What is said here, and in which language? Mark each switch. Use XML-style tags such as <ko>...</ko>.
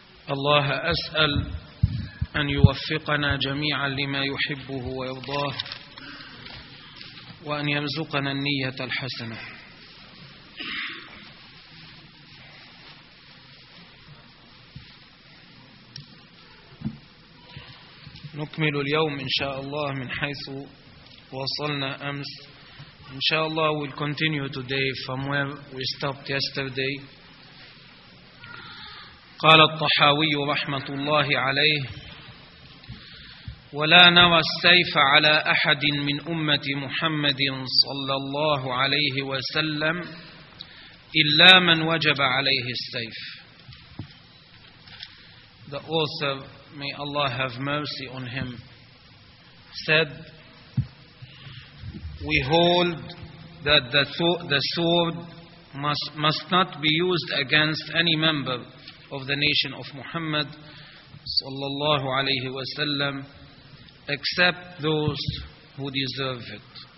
<ar>الله أسأل أن يوفقنا جميعا لما يحبه ويرضاه وأن يرزقنا النية الحسنة. نكمل اليوم إن شاء الله من حيث وصلنا أمس. إن شاء الله</ar> <en>we'll continue today from where we stopped yesterday.</en> <ar>قال الطحاوي رحمة الله عليه: ولا نرى السيف على أحد من أمة محمد صلى الله عليه وسلم إلا من وجب عليه السيف.</ar> <en>The author, may Allah have mercy on him, said, we hold that the sword must not be used against any member of the nation of Muhammad sallallahu alayhi wa sallam except those who deserve it.</en>